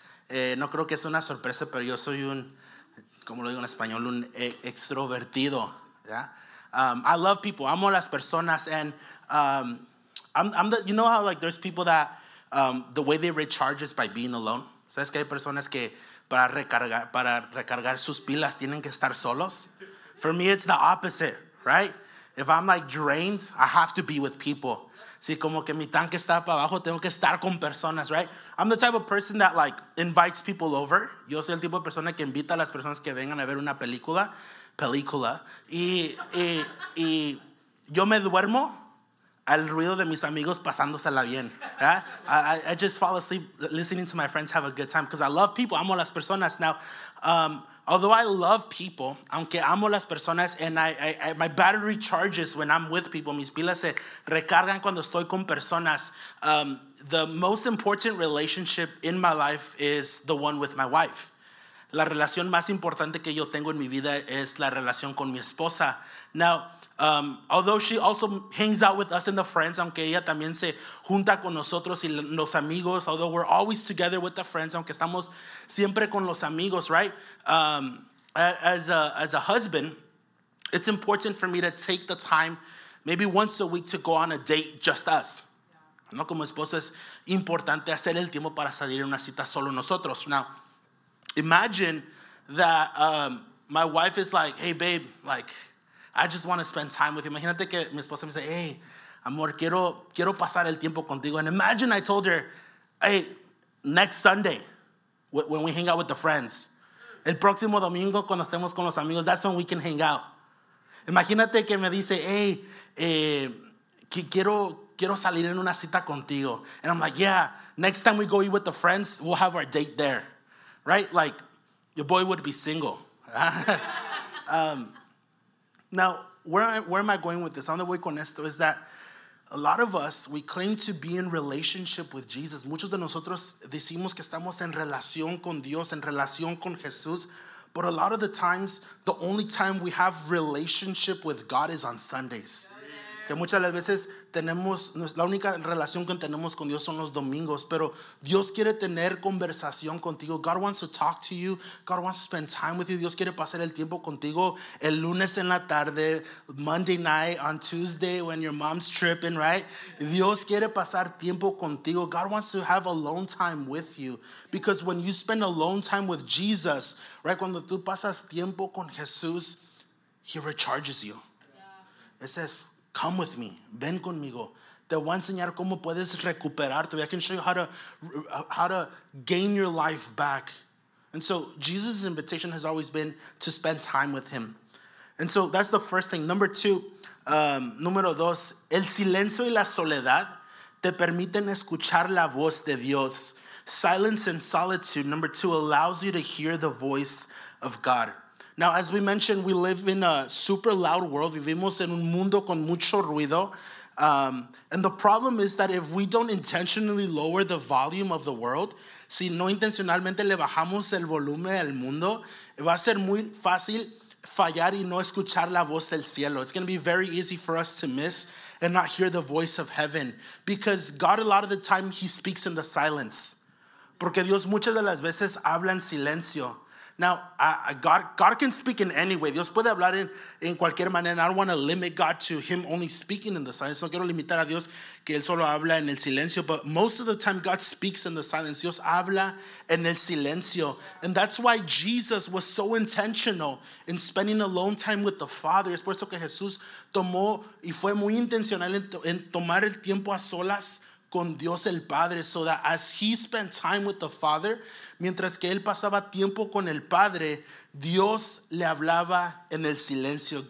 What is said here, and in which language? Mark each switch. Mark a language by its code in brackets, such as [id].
[es] No creo que sea una sorpresa, pero yo soy un, como lo digo en español, un extrovertido. [en] Yeah? I love people. [es] Amo las personas. [en] And I'm there's people that the way they recharge is by being alone. [es] ¿Sabes que hay personas que para recargar sus pilas tienen que estar solos? [en] For me, it's the opposite, right? If I'm like drained, I have to be with people. [es] Si como que mi tanque está para abajo, tengo que estar con personas, right? [en] I'm the type of person that like invites people over. [es] Yo soy el tipo de persona que invita a las personas que vengan a ver una película. Y yo me duermo al ruido de mis amigos pasándosela bien. [en] Yeah? I just fall asleep listening to my friends have a good time because I love people. [es] Amo las personas. [en] Now, although I love people, [es] aunque amo las personas, [en] and I my battery charges when I'm with people. [es] Mis pilas se recargan cuando estoy con personas. [en] The most important relationship in my life is the one with my wife. [es] La relación más importante que yo tengo en mi vida es la relación con mi esposa. [en] Now, although she also hangs out with us and the friends, [es] aunque ella también se junta con nosotros y los amigos, [en] although we're always together with the friends, [es] aunque estamos siempre con los amigos, [en] right? As a husband, it's important for me to take the time, maybe once a week, to go on a date, just us. [es] No, como esposo es importante hacer el tiempo para salir en una cita solo nosotros. [en] Now, imagine that my wife is like, hey, babe, like, I just want to spend time with you. [es] Imagínate que mi esposa me dice, hey, amor, quiero pasar el tiempo contigo. [en] And imagine I told her, hey, next Sunday, when we hang out with the friends. [es] El próximo domingo, cuando estemos con los amigos, [en] that's when we can hang out. [es] Imagínate que me dice, hey, quiero salir en una cita contigo. [en] And I'm like, yeah, next time we go eat with the friends, we'll have our date there. Right? Like, your boy would be single. Now, where am I going with this? On the way [es] con esto [en] is that a lot of us, we claim to be in relationship with Jesus. [es] Muchos de nosotros decimos que estamos en relación con Dios, en relación con Jesús. [en] But a lot of the times, the only time we have relationship with God is on Sundays. [es] Que muchas de las veces tenemos, la única relación que tenemos con Dios son los domingos. Pero Dios quiere tener conversación contigo. [en] God wants to talk to you. God wants to spend time with you. [es] Dios quiere pasar el tiempo contigo el lunes en la tarde, [en] Monday night, on Tuesday when your mom's tripping, right? [es] Dios quiere pasar tiempo contigo. [en] God wants to have alone time with you. Because when you spend alone time with Jesus, right, [es] cuando tú pasas tiempo con Jesús, [en] he recharges you. It says, come with me. [es] Ven conmigo. Te voy a enseñar cómo puedes recuperarte. [en] I can show you how to gain your life back. And so Jesus' invitation has always been to spend time with him. And so that's the first thing. Number two, [es] número dos, el silencio y la soledad te permiten escuchar la voz de Dios. [en] Silence and solitude, number two, allows you to hear the voice of God. Now, as we mentioned, we live in a super loud world. [es] Vivimos en un mundo con mucho ruido. [en] And the problem is that if we don't intentionally lower the volume of the world, [es] si no intencionalmente le bajamos el volumen al mundo, va a ser muy fácil fallar y no escuchar la voz del cielo. [en] It's going to be very easy for us to miss and not hear the voice of heaven, because God, a lot of the time, he speaks in the silence. [es] Porque Dios muchas de las veces habla en silencio. [en] Now, God can speak in any way. [es] Dios puede hablar en cualquier manera. [en] I don't want to limit God to him only speaking in the silence. [es] No quiero limitar a Dios que él solo habla en el silencio. [en] But most of the time, God speaks in the silence. [es] Dios habla en el silencio. [en] And that's why Jesus was so intentional in spending alone time with the Father. [es] Es por eso que Jesús tomó y fue muy intencional en tomar el tiempo a solas con Dios el Padre, [en] so that as he spent time with the Father, [es] mientras que él pasaba tiempo con el Padre, Dios le hablaba en el silencio.